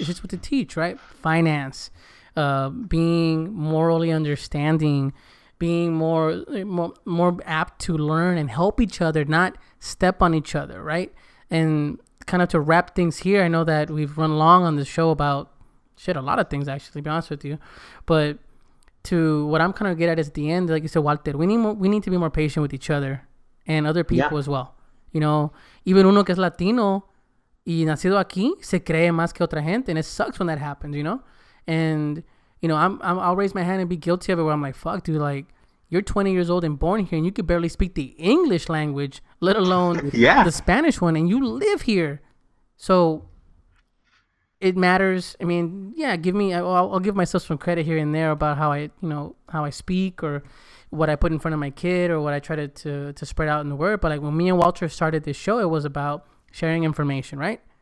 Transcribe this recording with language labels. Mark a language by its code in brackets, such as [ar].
[en] It's just what to teach, right? Finance, being morally understanding, being more apt to learn and help each other, not step on each other, right? And kind of to wrap things here, I know that we've run long on the show about shit, a lot of things, actually, to be honest with you. But to what I'm kind of get at is at the end, like you said, Walter, we need to be more patient with each other and other people as well. You know, even [es] uno que es Latino y nacido aquí se cree más que otra gente, [en] and it sucks when that happens, you know. And you know, I'll raise my hand and be guilty of it, where I'm like, fuck, dude, like, you're 20 years old and born here, and you could barely speak the English language, let alone the Spanish one, and you live here. So it matters. I mean, yeah, I'll give myself some credit here and there about how I, you know, how I speak or what I put in front of my kid or what I try to spread out in the word. But like when me and Walter started this show, it was about sharing information, right?